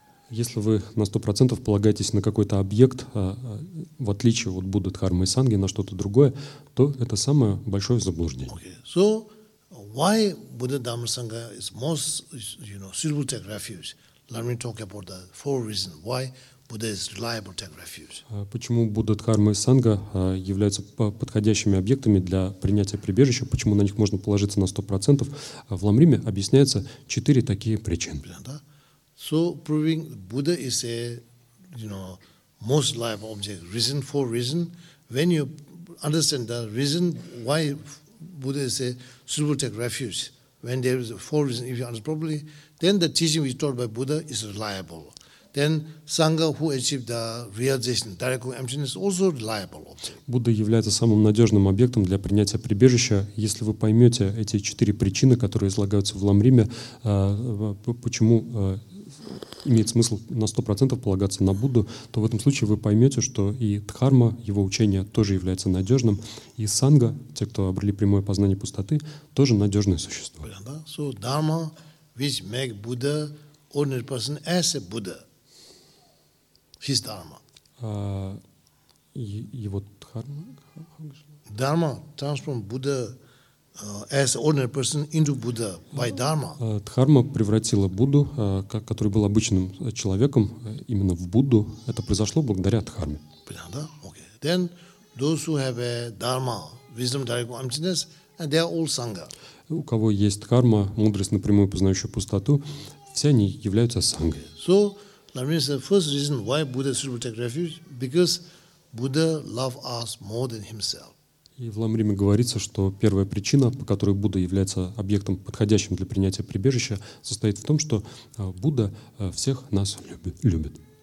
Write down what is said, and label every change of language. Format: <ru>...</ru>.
<ru>Если вы на 100% полагаетесь на какой-то объект, в отличие от Будды, Дхармы и Санги, на что-то другое, то это самое большое заблуждение.</ru> <en>Okay. So why Buddha, Dhamma, Sangha is most, you know, suitable to take refuge? Let me talk about the four reasons why Buddha is reliable to take refuge.</en> <ru>Почему Будда, Дхарма и Санга являются подходящими объектами для принятия прибежища? Почему на них можно положиться на 100%? В Ламриме объясняются четыре такие причины. Понятно?</ru> <en>So proving Buddha is a, you know, most reliable object. Reason for reason. When you understand the reason why Buddha is a suitable to take refuge, when there is four reasons, if you understand properly, then the teaching which is taught by Buddha is reliable. then Sangha who achieved the realization, direct emptiness, also reliable object.</en> <ru>Будда является самым надежным объектом для принятия прибежища. Если вы поймете эти четыре причины, которые излагаются в Ламриме, почему имеет смысл на 100% полагаться на Будду, то в этом случае вы поймете, что и Дхарма, его учение, тоже является надежным, и Санга, те, кто обрели прямое познание пустоты, тоже надежное существо.</ru> <en>So Dharma, which make Buddha ordinary person as a Buddha, his Dharma.</en> <ru>Его Дхарма?</ru> <en>Dharma transform Buddha as ordinary person into Buddha by Dharma.</en> <ru>Дхарма превратила Будду, который был обычным человеком, именно в Будду. Это произошло благодаря Дхарме. Понятно? Okay.</ru> <en>Then those who have a Dharma, wisdom, direct emptiness, and they are all Sangha.</en> <ru>У кого есть Дхарма, мудрость напрямую познающую пустоту, все они являются Сангой.</ru> <en>So, that means the first reason why Buddha should take refuge, because Buddha loves us more than himself.</en> <ru>И в Ламриме говорится, что первая причина, по которой Будда является объектом, подходящим для принятия прибежища, состоит в том, что Будда всех нас любит.</ru>